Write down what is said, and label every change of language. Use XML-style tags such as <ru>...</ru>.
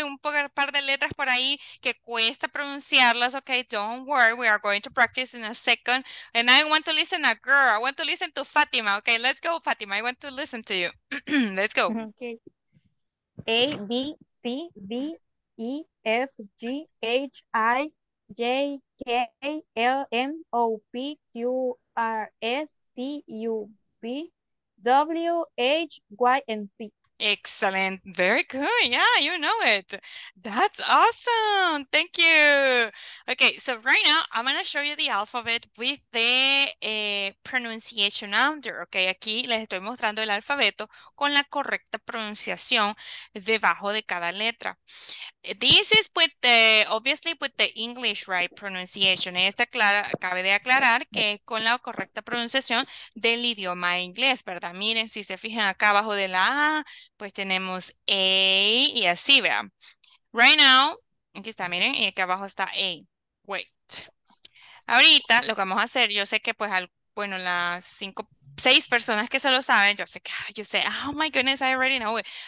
<es>Un par de letras por ahí que cuesta pronunciarlas.</es> <en>Okay, don't worry. We are going to practice in a second. And I want to listen to a girl. I want to listen to Fatima. Okay, let's go, Fatima. I want to listen to you. Let's go. Okay. A, B, C, D, E, F, G, H, I, J, K, L, M, O, P, Q, R, S, T, U, W, H, Y, and Z. Excellent. Very good. Yeah, you know it. That's awesome. Thank you. Okay, so right now I'm going to show you the alphabet with the pronunciation under.</en> <es>Okay, aquí les estoy mostrando el alfabeto con la correcta pronunciación debajo de cada letra.</es> <en>This is with the, obviously with the English right pronunciation.</en> <es>Cabe de aclarar que es con la correcta pronunciación del idioma inglés, ¿verdad? Miren, si se fijan acá abajo de la A, pues tenemos A y así, vean.</es> <en>Right now,</en> <es>aquí está, miren, y aquí abajo está A.</es> <en>Wait.</en> <es>Ahorita lo que vamos a hacer, yo sé que pues, las 5, 6 personas que se lo saben, yo sé que, yo sé,</es> <en>oh my goodness, I already know it.</en>